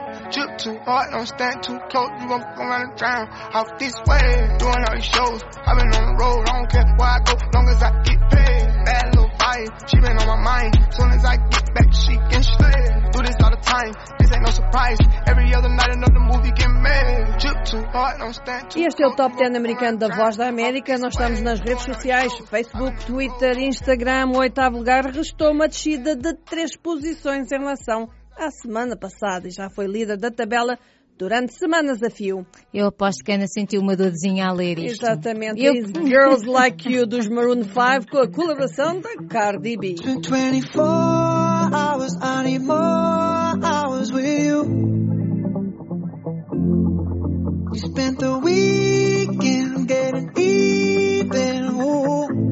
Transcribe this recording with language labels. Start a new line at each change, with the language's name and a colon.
English: Drip too hard, don't stand too close. You gon' go around and drown. Off this way, doing all these shows. I've been on the road, I don't care where I go, long as I get paid. Bad little vibe, she been on my mind. Soon as I get back, she can slay. Do this all the time, this ain't no surprise. Every other night, another movie get made. Drip too hard, don't stand too close.
Portuguese: E este é o Top 10 americano da Voz da América. Nós estamos nas redes sociais, Facebook, Twitter, Instagram. O oitavo lugar, restou uma descida de 3 posições em relação à semana passada e já foi líder da tabela durante semanas a fio. Eu aposto que Ana sentiu uma dorzinha a ler isto. Exatamente. Eu... Girls Like You dos Maroon 5 com a colaboração da Cardi B.
English: It's been 24 hours, I need more hours with you. We spent the weekend getting even. Ooh.